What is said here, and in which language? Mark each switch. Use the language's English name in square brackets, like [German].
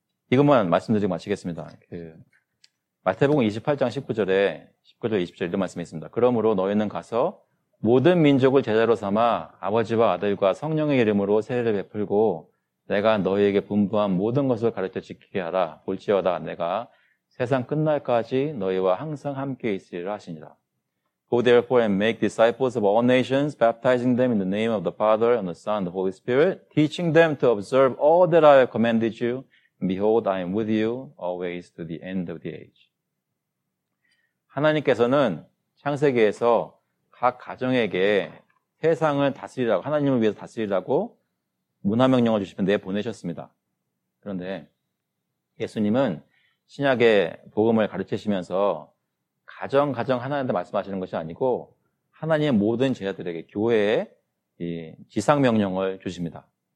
[Korean] 이것만 말씀드리고 마치겠습니다. 마태복음 28장 19절에 19절 20절 이런 말씀이 있습니다. 그러므로 너희는 가서 모든 민족을 제자로 삼아 아버지와 아들과 성령의 이름으로 세례를 베풀고 내가 너희에게 분부한 모든 것을 가르쳐 지키게 하라. 볼지어다 내가 세상 끝날까지 너희와 항상 함께 있으리라 하시니라. [English] Go therefore and make disciples of all nations, baptizing them in the name of the Father and the Son and the Holy Spirit, teaching them to observe all that I have commanded you. Behold, I am with you always to the end of the age. [Korean] 하나님께서는 창세기에서 각 가정에게 세상을 다스리라고, 하나님을 위해서 다스리라고 문화명령을 주시면 내보내셨습니다. 그런데 예수님은 신약의 복음을 가르치시면서 가정 하나님한테 말씀하시는 것이 아니고 하나님의 모든 제자들에게 교회에 이 지상명령을 주십니다.